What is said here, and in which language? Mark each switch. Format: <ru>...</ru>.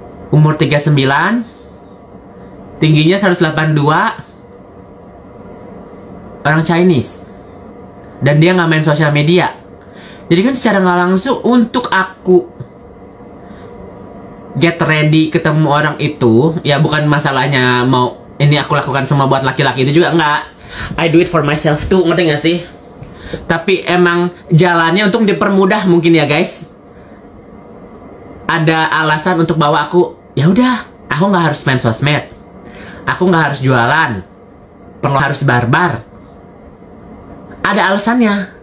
<id>Umur 39. Tingginya 182. Orang Chinese. Dan dia nggak main sosial media. Jadi kan secara nggak langsung untuk aku</id> <en>get ready</en> <id>ketemu orang itu, ya bukan masalahnya mau ini aku lakukan semua buat laki-laki itu juga enggak.</id> <en>I do it for myself too,</en> <id>ngerti nggak sih? Tapi emang jalannya untuk dipermudah mungkin ya guys. Ada alasan untuk bawa aku, ya udah, aku nggak harus main sosmed. Aku nggak harus jualan. Perlu harus barbar. Ada alasannya.</id>